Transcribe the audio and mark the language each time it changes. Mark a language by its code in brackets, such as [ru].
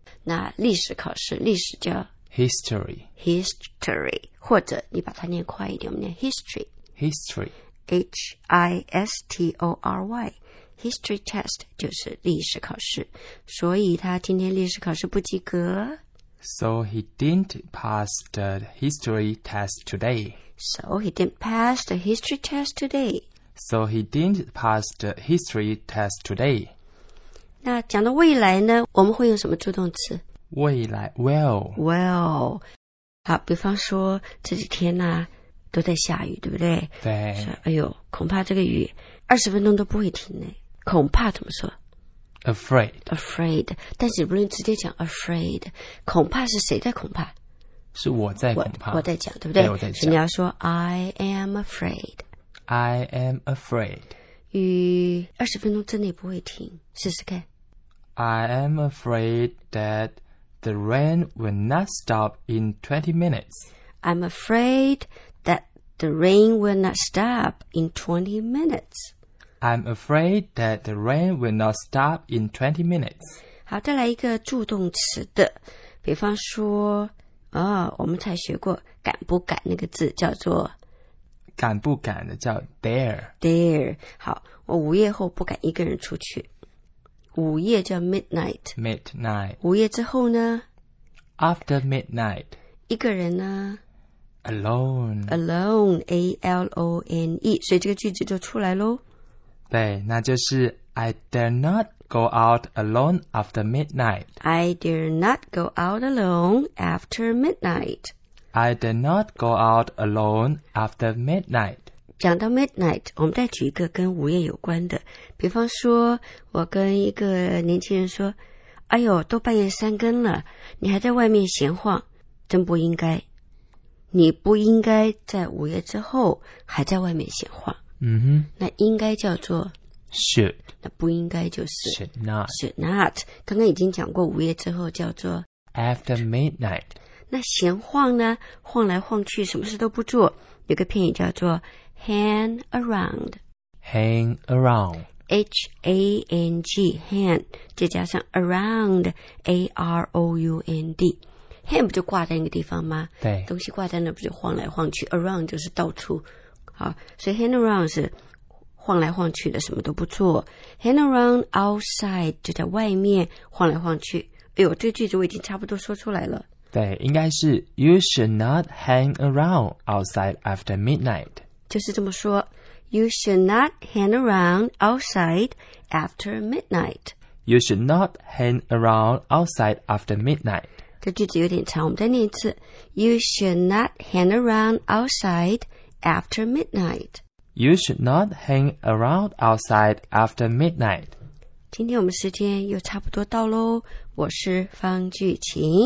[zh] 那历史考试，历史叫 [en] history。 [zh] history， 或者你把它念快一点，我们念 history。 [en] history。 [zh] history。 history test 就是历史考试。所以他今天历史考试不及格。 [en] So he didn't pass the history test today. So he didn't pass the history test today. So he didn't pass the history test today. [zh] 那讲到未来呢，我们会用什么助动词？未来 will。 Will。 好，比方说这几天呢、啊、都在下雨，对不对？对。哎呦，恐怕这个雨20分钟都不会停呢。恐怕怎么说？ [en] Afraid。 [zh] Afraid。 但是你不能直接讲 afraid， 恐怕是谁在恐怕？是我在恐怕。我在讲，对不对？对，我在讲。所以你要说 [en] I am afraid。 I am afraid. [zh] 雨20分钟之内不会停，试试看。 [en] I am afraid that the rain will not stop in 20 minutes. I'm afraid that the rain will not stop in 20 minutes. I'm afraid that the rain will not stop in 20 minutes. [zh] 好，再来一个助动词的，比方说，哦，我们才学过敢不敢那个字叫做敢不敢的叫 dare。 [en] dare。 [zh] 好，我午夜后不敢一个人出去。午夜叫 midnight。 [en] midnight。 [zh] 午夜之后呢？ [en] after midnight。 [zh] 一个人呢？ [en] alone。 alone。 A-L-O-N-E。 [zh] 所以这个句子就出来咯。对，那就是 [en] I dare not go out alone after midnight。 I dare not go out alone after midnight。 I did not go out alone after midnight. [zh] 讲到 midnight， 我们再举一个跟午夜有关的。比方说，我跟一个年轻人说，哎呦，都半夜三更了，你还在外面闲晃，真不应该。你不应该在午夜之后还在外面闲晃。嗯哼。那应该叫做 [en] should。 [zh] 那不应该就是 [en] should not。 should not。 [zh] 刚刚已经讲过，午夜之后叫做 [en] after midnight。 [zh] 那闲晃呢，晃来晃去什么事都不做，有个片语叫做 hang around。 [en] hang around。 h-a-n-g hang [zh] 再加上 [en] around a-r-o-u-n-d。 [zh] hang 不就挂在那个地方吗？对，东西挂在那不就晃来晃去， around 就是到处。好，所以 hang around 是晃来晃去的，什么都不做。 [en] hang around outside [zh] 就在外面晃来晃去。哎呦，这个句子我已经差不多说出来了。对，应该是 [en] You should not hang around outside after midnight. [zh] 就是这么说， [en] You should not hang around outside after midnight. You should not hang around outside after midnight. [zh] 这句子有点长，我们再念一次。 [en] You should not hang around outside after midnight. You should not hang around outside after midnight. [zh] 今天我们时间又差不多到咯，我是方巨琴，